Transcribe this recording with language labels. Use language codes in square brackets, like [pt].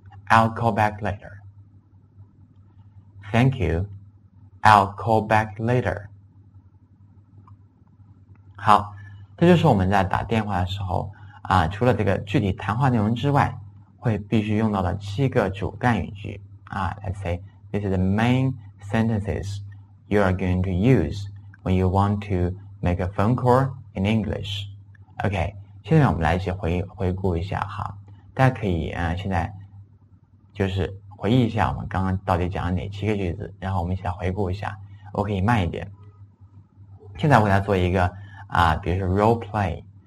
[en] I'll call back later. Thank you, I'll call back later. [zh] 好，这就是我们在打电话的时候啊，除了这个具体谈话内容之外，会必须用到的七个主干语句啊。 [en] Let's say this is the main sentences you are going to use when you want to make a phone call in English. [zh] OK, 现在我们来一起回顾一下哈，大家可以啊现在就是回忆一下我们刚刚到底讲了哪七个句子，然后我们一起来回顾一下。我可以慢一点，现在我给大家做一个啊，比如说 role play。